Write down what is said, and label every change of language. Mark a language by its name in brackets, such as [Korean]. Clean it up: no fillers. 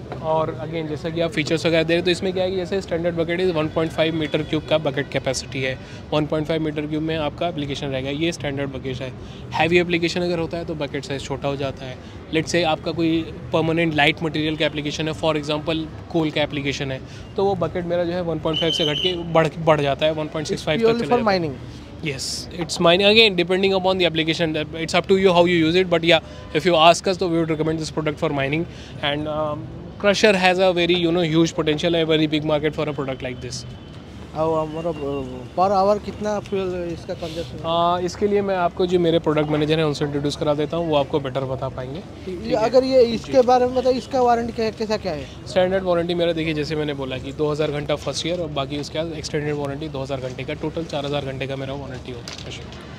[Hindi] और अगेन जैसा कि आप फीचर्स वगैरह दे रहे, तो इसमें क्या है कि जैसे स्टैंडर्ड बकेट इज 1.5 m³ का बकेट कैपेसिटी है, 1.5 m³ में आपका एप्लीकेशन रहेगा, ये स्टैंडर्ड बकेट है। हैवी एप्लीकेशन अगर होता है तो बकेट साइज छोटा हो जाता है। लेट से आपका कोई परमानेंट लाइट मटेरियल का एप्लीकेशन है, फॉर एग्जांपल कोल का एप्लीकेशन है, तो वो बकेट मेरा जो है 1.5 से घट के बढ़ जाता है 1.65 तक। [English] Yes, it's mining again depending upon the application, it's up to you how you use it, but yeah, if you ask us, though, we would recommend this product for mining. And crusher has a very, you know, huge potential, a very big market for a product like this. [Hindi] Per hour कितना fuel इसका consumption? इसके लिए मैं आपको जो मेरे product manager हैं उनसे इंट्रोड्यूस करा देता हूँ, वो आपको बेटर बता पाएंगे। अगर ये इसके बारे में बताए, इसका वारंटी कैसा क्या है? स्टैंडर्ड वारंटी मेरा देखिए जैसे मैंने बोला कि 2000 घंटा फर्स्ट ईयर और बाकी उसके बाद एक्सटेंडेड वारंटी 2000 घंटे का, टोटल 4000 घंटे का मेरा वारंटी होता है।